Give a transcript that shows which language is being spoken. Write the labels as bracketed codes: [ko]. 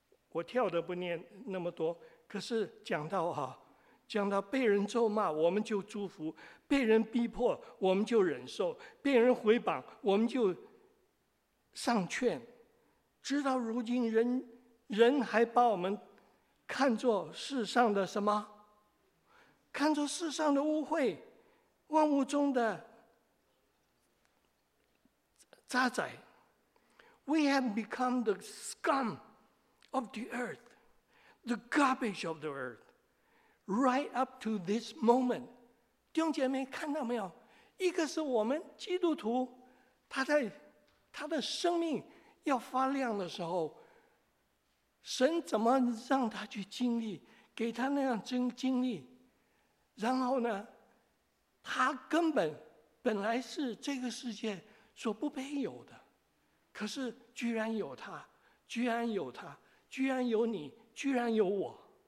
[zh] 我跳的不念那么多，可是讲到被人咒骂我们就祝福，被人逼迫我们就忍受，被人毁谤我们就上劝，直到如今人还把我们看作世上的什么？看作世上的污秽，万物中的渣滓。 [en] We have become the scum of the earth, the garbage of the earth, right up to this moment。 [zh] 弟兄姐妹看到没有，一个是我们基督徒他的生命要发亮的时候，神怎么让他去经历，给他那样经历，然后呢，他根本来是这个世界所不配有的，可是居然有他，居然有他，居然有你，居然有我。